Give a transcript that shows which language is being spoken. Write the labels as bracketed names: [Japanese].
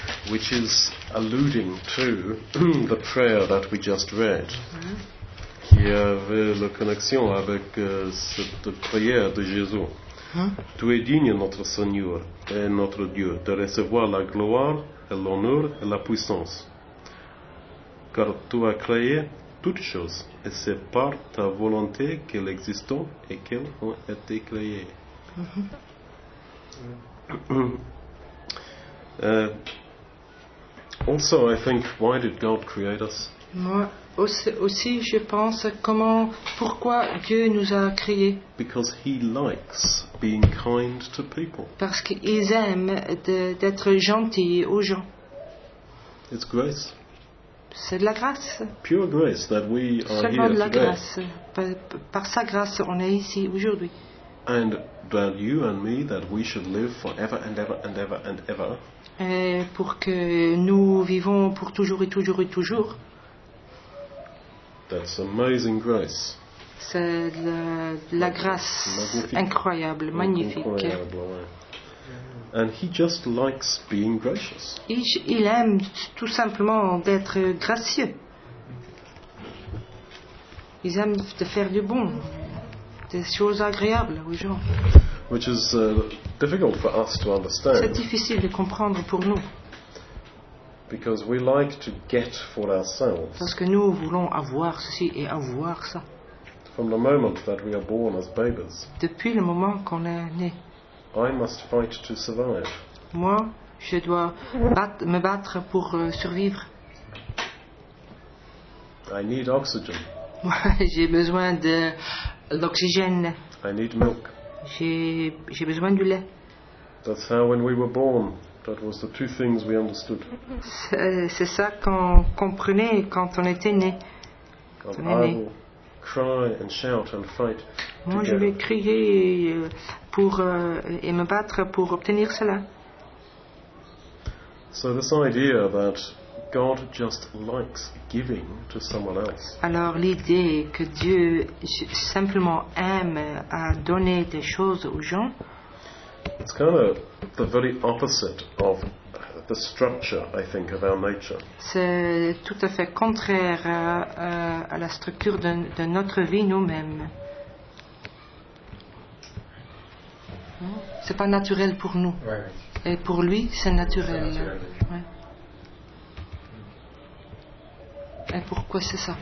[English] Which is alluding to the prayer that we just read. [French] Qui avait la connexion avec cette prière de Jésus. Tu es digne, notre Seigneur et notre Dieu, de recevoir la gloire et l'honneur et la puissance. Car tu as créé toutes choses, et c'est par ta volonté qu'elles existent et qu'elles ont été créées. [English] Also, I think, why did God create us? [French] Moi aussi je pense comment, pourquoi Dieu nous a créés. [English] Because he likes being kind to people. [French] Parce qu'ils aiment d'être gentils aux gens. [English] It's grace. [French] C'est de la grâce. [English] Pure grace that we are [French] seulement [English] here [French] de la [English] today. [French] Grâce. Par sa grâce, on est ici aujourd'hui. [English] And that you and me, that we should live forever and ever and ever and ever. [French] Et pour que nous vivons pour toujours et toujours et toujours. [English] That's amazing grace. [French] C'est la grâce magnifique. Incroyable, magnifique. Incroyable, ouais. [English] And he just likes being gracious. [French] Il aime tout simplement d'être gracieux. Il aime de faire du bon, des choses agréables aux gens. [English] Which is difficult for us to understand. [French] C'est difficile de comprendre pour nous. [English] Because we like to get for ourselves. [French] Parce que nous voulons avoir ceci et avoir ça. [English] From the moment that we are born as babies. [French] Depuis le moment qu'on est né. [English] I must fight to survive. [French] Moi, je dois me battre pour survivre. [English] I need oxygen. [French] Moi, j'ai besoin de l'oxygène. [English] I need milk. [French] J'ai besoin du lait. [English] That's how when we were born, that was the two things we understood. [French] C'est ça qu'on comprenait quand on était né. [English] Cry and shout and fight. [French] Moi, je vais crier pour et me battre pour obtenir cela. [English] So this idea that God just likes giving to someone else. [French] Alors l'idée que Dieu simplement aime à donner des choses aux gens. [English] It's kind of the very opposite of the structure, I think, of our nature. [French] C'est tout à fait contraire à la structure de notre vie nous-mêmes. C'est pas naturel pour nous. Ouais. Et pour lui, c'est naturel. C'est naturel. Ouais. Et pourquoi c'est ça?